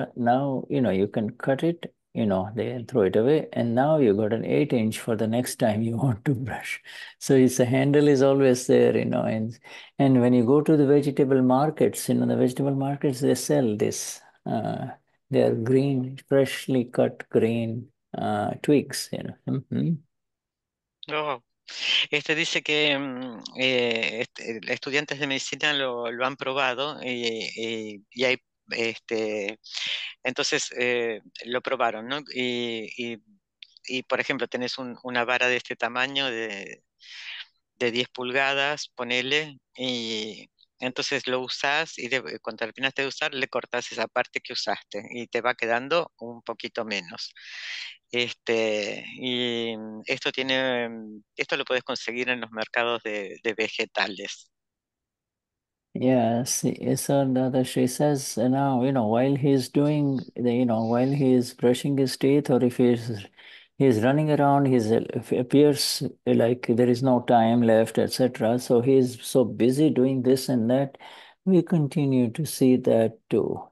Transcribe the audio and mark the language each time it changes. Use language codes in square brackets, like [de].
[en] Now, you know, you can cut it, you know, they throw it away, and now you got an 8-inch for the next time you want to brush. So it's the handle is always there, you know, and when you go to the vegetable markets, you know, the vegetable markets, they sell this, they are green, freshly cut green twigs, you know. [es] Oh, este dice que estudiantes de medicina lo han probado y hay este entonces lo probaron, ¿no? Y por ejemplo tenés una vara de este tamaño de 10 pulgadas, ponele, y entonces lo usás y cuando terminaste de usar le cortás esa parte que usaste y te va quedando un poquito menos. Este, y esto tiene, esto lo puedes conseguir en los mercados de vegetales. [en] Yes, so Dada Shri says, now, you know, while he's doing, you know, while he's brushing his teeth, or if he's running around, he appears like there is no time left, etc. So he's so busy doing this and that, we continue to see that too.